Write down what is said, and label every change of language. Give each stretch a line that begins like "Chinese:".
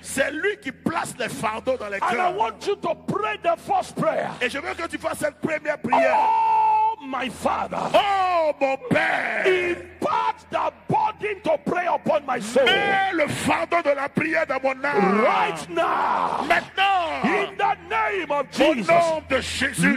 French: C'est lui qui place les fardeaux dans les
English: And
French: cœurs.
English: I want you to pray the first prayer.
French: Et je veux que tu fasses cette première prière.
English: Oh my Father.
French: Oh mon Père.
English: Impart the burden to pray upon my soul.
French: Mets le fardeau de la prière dans mon âme.
English: Right now.
French: Maintenant.
English: In the name of Jesus.
French: Au nom de Jésus.